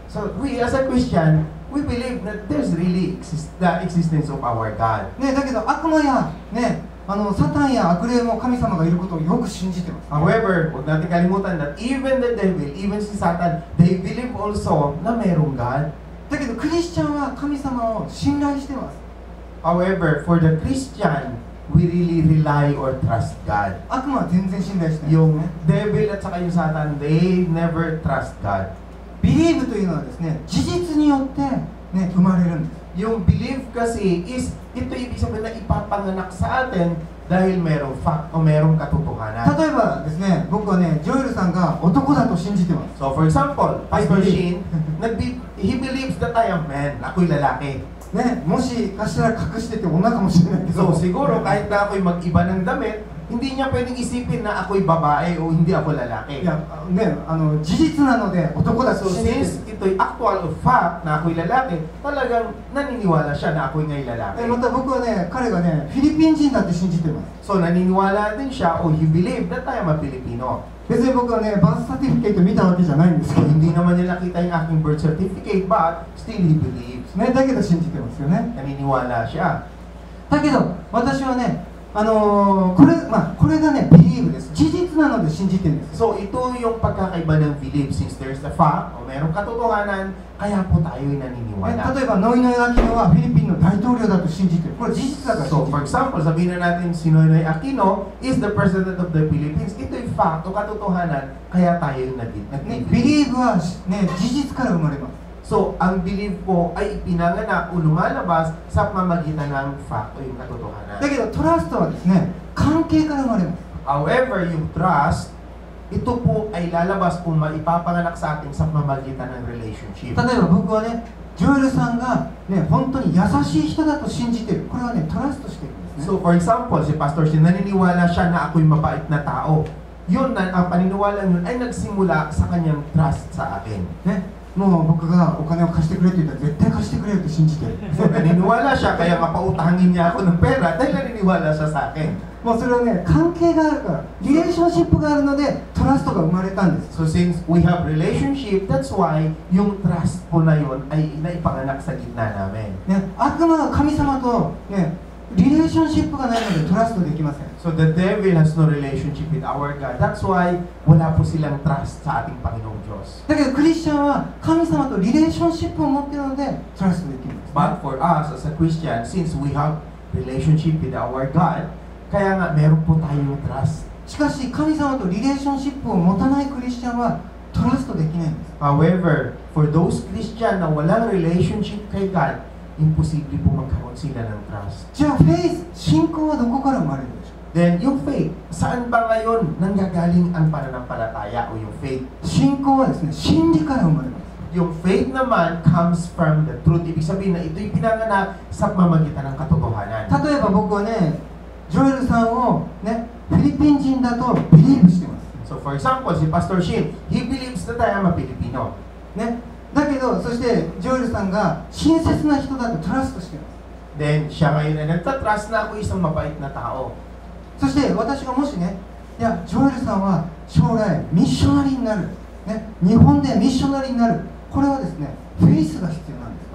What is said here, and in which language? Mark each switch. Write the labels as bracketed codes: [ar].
[ja] そう、 [en] we as a Christian, we believe that there's really the existence of our God. [ja] ね、だけど悪魔や、ね、サタンや悪霊も神様がいることをよく信じてます、ね。 [en] However, what not to get in mind that even the devil, even si Satan, they believe also [tl] na mayroong God. [ja] だけどクリスチャンは神様を信頼してます。 [en] However, for the Christian, we really rely or trust God. [ja] 悪魔は全然信頼してない。 [tl] Yung devil at saka yung [en] Satan, they never trust God. [ja] Believe というのはですね、事実によって、ね、生まれるんです。 [tl] Yung belief kasi is ito ibig sabihin na ipapanganak sa atin dahil merong fact o merong katotohanan. [ja] 例えばですね、僕はね、ジョエルさんが男だと信じてます。 [en] So for example, Pastor Shin, he believes that I am man, [tl] ako'y lalaki. [ja] ね、もしかしたら隠してて女かもしれないけど。 [tl] So siguro kahit na ako'y mag-iba ng damit,hindi niya pwedeng isipin na ako'y babae o hindi ako lalaki. [ja] Yeah, ne, 事実なので男だ。 [tl] So since ito'y actual fact na ako'y lalaki, talagang naniniwala siya na ako'y ngayon lalaki. [ja] Eh, また僕はね、彼がね、フィリピン人だって信じてます。 [tl] So naniniwala din siya [en] or he believed that I am a Filipino. [ja] 別に僕はね、birth certificate 見たわけじゃないんですけど。 [tl] Hindi naman niya nakita yung aking birth certificate, [en] but still he believes. [ja] ね、だけど信じてますよね。 [tl] Naniniwala siya. [ja] だけど、私はね、これ、まあ、これがね、believe です。事実なので信じてるんです。 [tl] So, ito yung pagkakaiba ng believe. [en] Since there's the fact, [tl] o merong katotohanan, kaya po tayo'y naniniwala. [ja] 例えば、Noynoy Aquino はフィリピンの大統領だと信じてる。これ事実だから信じてる。 [en] So, for example, [tl] sabihin na natin, [en] si Noynoy Aquino is the president of the Philippines. [tl] Ito'y fact o katotohanan, kaya tayo'y naniniwala. [ja] Believe は、ね、事実から生まれます。 [tl] So, ang belief po ay ipinanganak o lumalabas sa pamamagitan ng fact o yung katotohanan. [ja] だけど, trust はですね, 関係から生まれます。 [tl] However, yung trust, ito po ay lalabas kung maipapanganak sa atin sa pamamagitan ng relationship. [ja] 例えば, 僕はね, Joel さんがね, 本当に優しい人だと信じてる。これはね, trust としてるんですね。 [tl] So, for example, si Pastor Shin, naniniwala siya na ako'y mabait na tao. Yun, ang paniniwala nun ay nagsimula sa kanyang trust sa akin. [ja] Ne? もう僕がお金を貸してくれって言ったら絶対貸してくれって信じてる。そう、 [tl] naniniwala siya kaya mapautangin niya ako ng pera dahil naniniwala siya sa akin。 [ja] もうそれはね、関係があるから、リレーションシップがあるので、トラストが生まれたんです。 [en] So since we have relationship, that's why [tl] yung trust po na yun ay naipanganak sa gitna namin。 [ja] ね、悪魔は神様とね、リレーションシップがないのでトラストできません。 [en] So the devil has no relationship with our God. [tl] That's why wala po silang trust sa ating Panginoong Diyos. [ja] だけどクリスチャンは神様とリレーションシップを持っているのでトラストできるんです、ね。 [en] But for us as a Christian, since we have relationship with our God, [tl] kaya nga meron po tayong trust. [ja] しかし神様とリレーションシップを持たないクリスチャンはトラストできないんです。 [en] However, for those Christian [tl] na walang relationship kay God, imposible po magkaroon sila ng trust. [ja] じゃあ faith, 信仰はどこから生まれるんでしょう? [tl] Then yung faith, saan ba ngayon nanggagaling ang pananampalataya o yung faith? [ja] 信仰はですね、真理から生まれます。 [en] Yung faith naman comes from the truth. [tl] Ibig sabihin na ito'y pinanganak sa pamamagitan ng katotohanan. [ja] 例えば僕はね、ジョエルさんをね、フィリピン人だとビリーブしてます。 [en] So for example, si Pastor Shin, he believes that I am a Filipino. [ja] ね。だけど、そしてジョエルさんが親切な人だとトラストしてます。 [tl] Then, siya ngayon ay nagtatrust na ako isang mabait na tao. [ja] そして私がもしね、いや、ジョエルさんは将来ミッショナリーになる。ね。日本でミッショナリーになる。これはですね、フェイスが必要なんです。